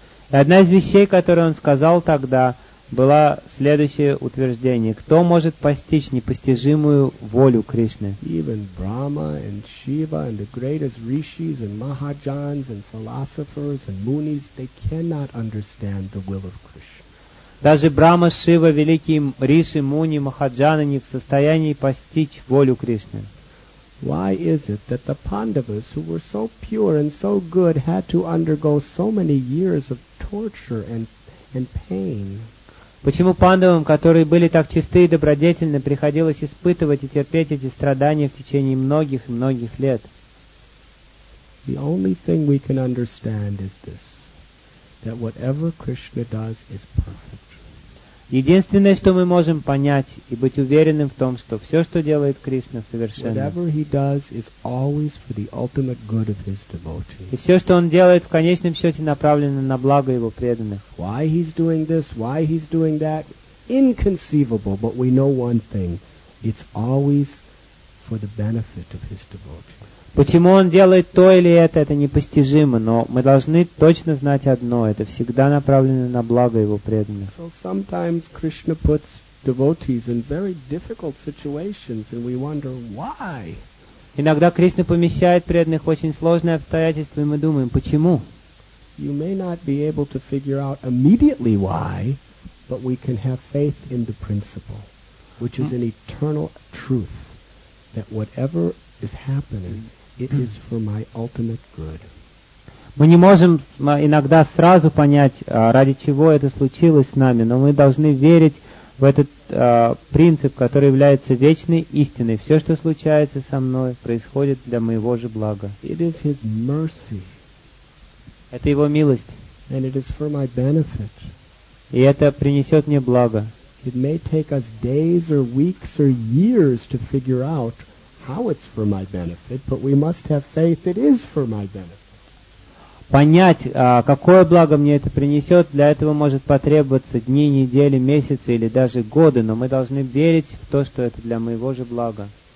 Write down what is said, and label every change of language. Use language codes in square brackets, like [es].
[ru] И одна из вещей, которую он сказал тогда, было следующее утверждение. Кто может постичь непостижимую волю Кришны? [en] Even Brahma and Shiva and the greatest rishis and mahajans and philosophers and munis, they cannot understand the will of Krishna. [ru] Даже Брама, Шива, великие риши, муни, махаджаны не в состоянии постичь волю Кришны. [en] Why is it that the Pandavas, who were so pure and so good, had to undergo so many years of torture and pain? [ru] Почему пандавам, которые были так чисты и добродетельны, приходилось испытывать и терпеть эти страдания в течение многих и многих лет? [en] The only thing we can understand is this, that whatever Krishna does is perfect. [ru] Единственное, что мы можем понять и быть уверенным в том, что все, что делает Кришна, совершенно. [en] Whatever he does is always for the ultimate good of his devotee. [ru] И все, что он делает, в конечном счете направлено на благо его преданных. [en] Why he's doing this, why he's doing that, inconceivable, but we know one thing, it's always for the benefit of his devotee. [ru] Почему он делает то или это непостижимо, но мы должны точно знать одно, это всегда направлено на благо его преданных. [en] So sometimes Krishna puts devotees in very difficult situations, and we wonder why. [ru] Иногда Кришна помещает преданных в очень сложные обстоятельства, и мы думаем, почему? [en] You may not be able to figure out immediately why, but we can have faith in the principle, which is an eternal truth, that whatever is happening, it is for my ultimate good. [ru] Мы не можем иногда сразу понять, ради чего это случилось с нами, но мы должны верить в этот принцип, который является вечной истиной. Все, что случается со мной, происходит для моего же блага. [en] It is his mercy. [ru] Это его милость. [en] And it is for my benefit. [ru] И это принесет мне благо. [en] It may take us days or weeks or years to figure out how it's for my benefit, but we must have faith it is for my benefit. [ru] понять, какое благо мне это принесет, для этого может потребоваться дни, недели, месяцы или даже годы, но мы должны верить в то, что это для моего же блага.